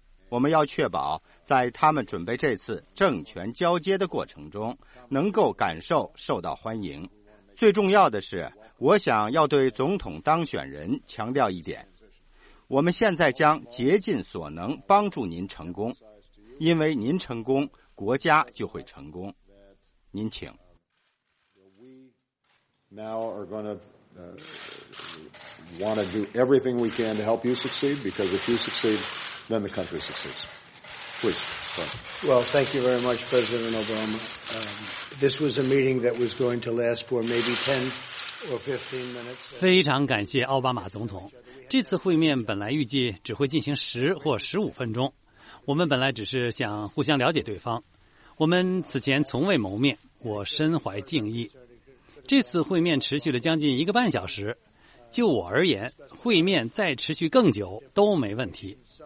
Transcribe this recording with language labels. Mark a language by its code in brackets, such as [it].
[zh] 我们要确保在他们准备这次政权交接的过程中能够感受受到欢迎。最重要的是，我想要对总统当选人强调一点，我们现在将竭尽所能帮助您成功，因为您成功，国家就会成功。您请。 [en] Now are going to want to do everything we can to help you succeed, because if you succeed, then the country succeeds. Please. Well, thank you very much, President Obama. This was a meeting that was going to last for maybe 10 or 15 minutes. [zh] 非常感谢奥巴马总统。这次会面本来预计只会进行10或15分钟。我们本来只是想互相了解对方。我们此前从未谋面，我深怀敬意。这次会面持续了将近一个半小时，就我而言，会面再持续更久都没问题。